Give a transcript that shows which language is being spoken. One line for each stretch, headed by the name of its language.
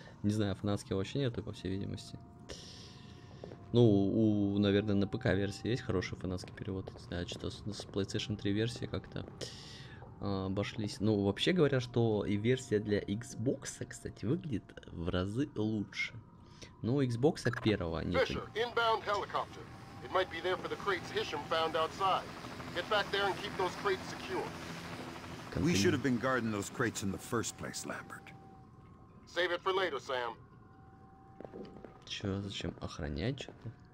Russian: Не знаю, фанатских вообще нету, по всей видимости. Ну, наверное, на ПК-версии есть хороший фанатский перевод. Да, что-то с PlayStation 3 версии как-то обошлись. Ну, вообще говоря, что и версия для Xbox, кстати, выглядит в разы лучше. Ну, Xbox первого нет.
English: Fisher, inbound helicopter. It might be there for the crates Hisham found outside. Get back there and keep those crates secure. We should have been guarding those crates in the first place, Lambert. Save it for later, Sam.
Russian: Че, зачем охранять что-то?